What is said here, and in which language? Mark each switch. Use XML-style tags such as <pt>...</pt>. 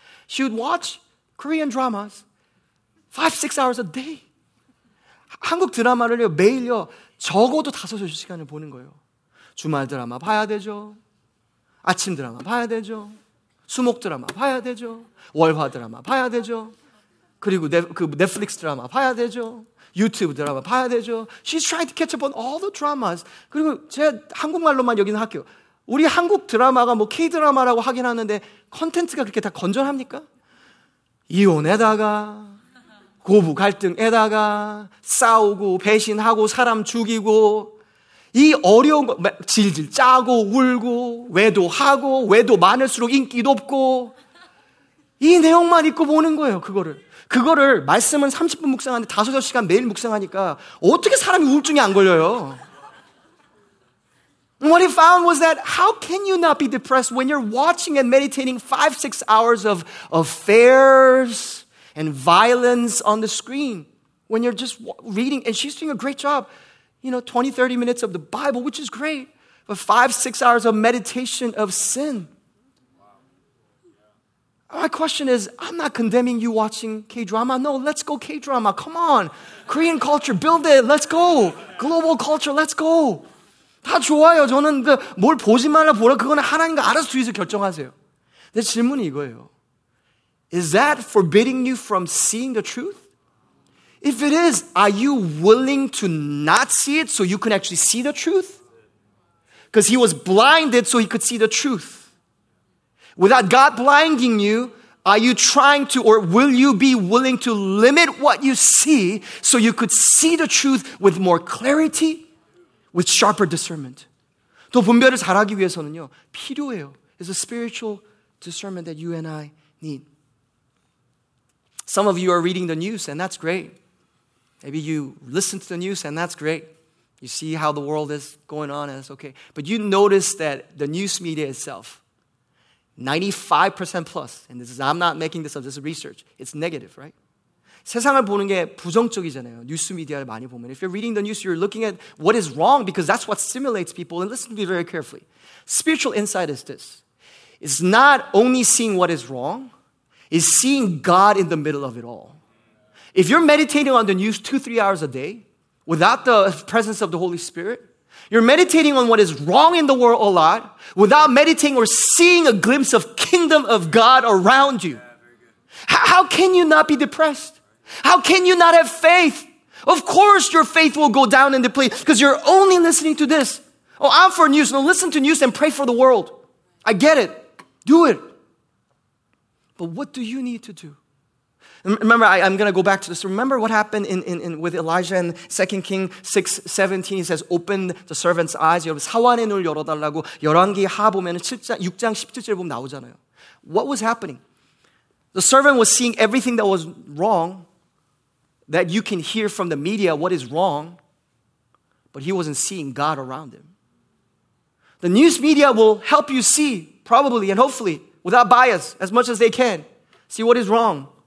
<en>She would watch Korean dramas 5-6 hours a day.</en> <ko>한국 드라마를요 매일요 적어도 5-6 시간을 보는 거예요. 주말 드라마 봐야 되죠. 아침 드라마 봐야 되죠. 수목 드라마 봐야 되죠. 월화 드라마 봐야 되죠. 그리고 그 넷플릭스 드라마 봐야 되죠. 유튜브 드라마 봐야 되죠.</ko> <en>She's trying to catch up on all the dramas.</en> <ko>그리고 제가 한국말로만 여기는 할게요. 우리 한국 드라마가 뭐 K-드라마라고 하긴 하는데 컨텐츠가 그렇게 다 건전합니까? 이혼에다가 고부 갈등에다가 싸우고 배신하고 사람 죽이고 이 어려운 거 질질 짜고 울고 외도하고 외도 많을수록 인기 높고 이 내용만 읽고 보는 거예요. 그거를 말씀은 30분 묵상하는데 5-6시간 매일 묵상하니까 어떻게 사람이 우울증에 안 걸려요?</ko> <en>What he found was that how can you not be depressed when you're watching and meditating 5-6 hours of affairs and violence on the screen when you're just reading. And she's doing a great job, you know, 20-30 minutes of the Bible, which is great, but 5-6 hours of meditation of sin. Wow. Yeah. My question is, I'm not condemning you watching K-drama. No, let's go K-drama. Come on. Korean culture, build it. Let's go. Global culture, let's go.</en> <ko>다 좋아요. 저는 뭘 보지 말라 보라 그거는 하나님과 알아서 뒤에서 결정하세요. 내 질문이 이거예요.</ko> <en>Is that forbidding you from seeing the truth? If it is, are you willing to not see it so you can actually see the truth? Because he was blinded so he could see the truth. Without God blinding you, are you trying to, or will you be willing to limit what you see so you could see the truth with more clarity, with sharper discernment?</en> <ko>또 분별을 잘하기 위해서는요, 필요해요.</ko> <en>It's a spiritual discernment that you and I need. Some of you are reading the news, and that's great. Maybe you listen to the news, and that's great. You see how the world is going on, and it's okay. But you notice that the news media itself, 95% plus, and this is, I'm not making this up, this is research, it's negative, right?</en> <ko>세상을 보는 게 부정적이잖아요. 뉴스 미디어를 많이 보면.</ko> <en>If you're reading the news, you're looking at what is wrong, because that's what stimulates people. And listen to me very carefully. Spiritual insight is this. It's not only seeing what is wrong, is seeing God in the middle of it all. If you're meditating on the news 2-3 hours a day without the presence of the Holy Spirit, you're meditating on what is wrong in the world a lot without meditating or seeing a glimpse of kingdom of God around you. How can you not be depressed? How can you not have faith? Of course your faith will go down in the place because you're only listening to this. Oh, I'm for news. No, listen to news and pray for the world. I get it. Do it. But what do you need to do? Remember, I'm going to go back to this. Remember what happened with Elijah in 2 Kings 6:17. He says, open the servant's eyes.</en> <ko>여러분, 사완의 눈을 열어달라고 열왕기하 보면 6장 17절 보면 나오잖아요.</ko> <en>What was happening? The servant was seeing everything that was wrong, that you can hear from the media what is wrong, but he wasn't seeing God around him. The news media will help you see, probably and hopefully, without bias, as much as they can. See what is wrong.</en>